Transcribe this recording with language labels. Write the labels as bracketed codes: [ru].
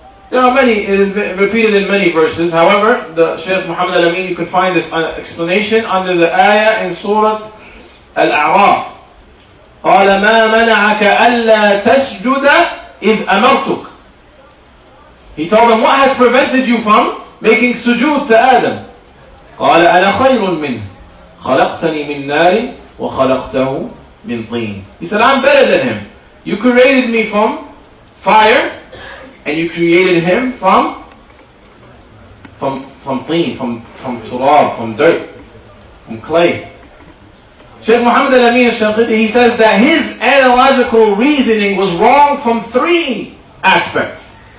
[en] There are many, it is repeated in many verses. However, the Shaykh Muhammad Al-Amin, you can find this explanation under the ayah in Surah Al-A'raf. [ar] قَالَ مَا مَنَعَكَ أَلَّا تَسْجُدَ إِذْ أَمَرْتُكَ [en] He told him, what has prevented you from making sujood to Adam? [ar] قَالَ أَنَا خَيْرٌ مِنْهِ خَلَقْتَنِي مِنْ نَارٍ وَخَلَقْتَهُ مِنْ طِينٍ [en] He said, I'm better than him. You created me from fire, and you created him from tin, from turab, from dirt, from clay. Shaykh Muhammad Al-Amin al-Shanqiti, he says that his analogical reasoning was wrong from three aspects.